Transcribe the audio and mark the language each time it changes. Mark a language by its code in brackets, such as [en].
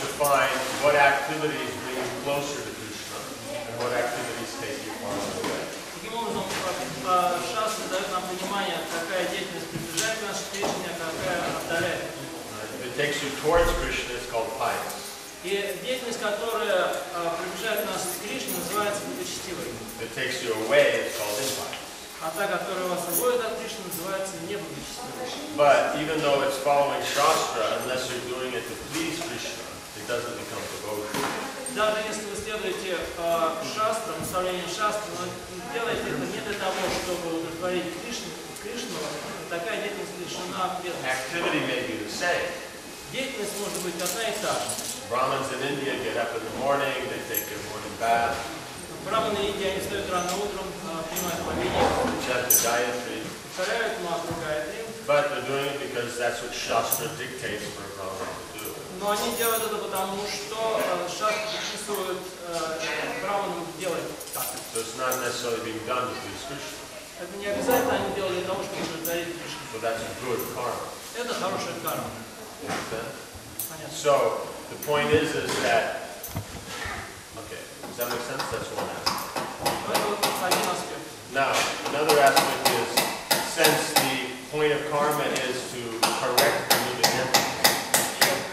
[ru] Таким образом, шастры дают внимание, какая деятельность приближает нас к Кришне, а какая отдаляет от него. [en] If it takes you towards Krishna, it's called pious. [ru] И деятельность, которая приближает нас к Кришне, называется благочестивой. [en] If it takes you away, it's called impious. [ru] А та, которая вас уводит от Кришны, называется неблагочестивой. [en] But even though it's following Shastra, unless you're doing it to please Krishna, it doesn't become devotion. [ru] Даже если вы следуете шастрам, наставлениям шастры, но делаете это не для того, чтобы удовлетворить Кришну, такая деятельность лишена ответственности. Деятельность может быть одна и та же. [en] Brahmins in India get up in the morning, they take their morning bath. [ru] Брахманы Индии, они встают рано утром, принимают повинение. [en] Chant the Gayatri. [ru] Повторяют мантру Гайатри. [en] But they're doing it because that's what Shastra dictates for a Brahmin. [ru] Но они делают это потому, что шастры предписывают брахманам делать так. [en] So it's not necessarily being done to please Krishna. [ru] Это не обязательно они делали для того, чтобы удовлетворить Кришну. [en] So that's good karma. [ru] Это хорошая карма. [en] So the point is that okay, does that make sense? That's one aspect. Now another aspect is, since the point of karma is to correct the moving energy.